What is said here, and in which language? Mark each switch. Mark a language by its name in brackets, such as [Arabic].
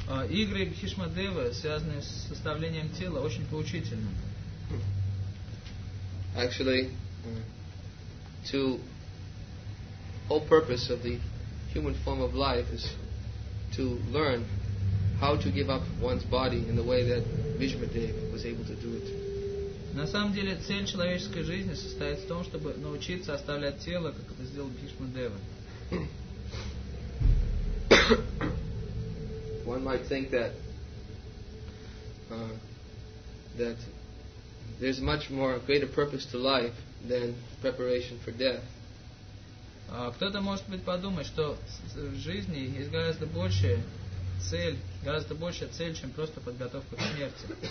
[Russian] Игры Бхишма Дева, связанные с составлением тела, очень поучительны. [English] Actually, to whole purpose of the human form of life is to learn how to give up one's body in the way that Bhishma Dev was able to do it. [Russian] На самом деле, цель человеческой жизни состоит в том, чтобы научиться оставлять тело, как это сделал Бхишма Дева. [English] One might think that that there's much more greater purpose to life than preparation for death. [Russian] Кто-то может быть подумать, что в жизни есть гораздо большая цель, чем просто подготовка к смерти.